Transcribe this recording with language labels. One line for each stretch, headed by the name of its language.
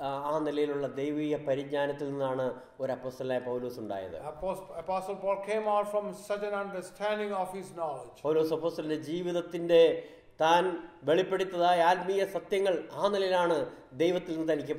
Malayalam: ആ നിലയിലുള്ള ദൈവീയ പരിജ്ഞാനത്തിൽ നിന്നാണ് ഒരു അപ്പോസ്തലനായ പൗലോസ് ഉണ്ടായത്.
English: Apostle Paul came out from such an understanding of his knowledge.
Malayalam: പൗലോസ് അപ്പോസ്തലന്റെ ജീവിതത്തിന്റെ താൻ വെളിപ്പെടുത്തതായ ആത്മീയ സത്യങ്ങൾ ആ നിലയിലാണ് ദൈവത്തിൽ നിന്ന് തനിക്ക്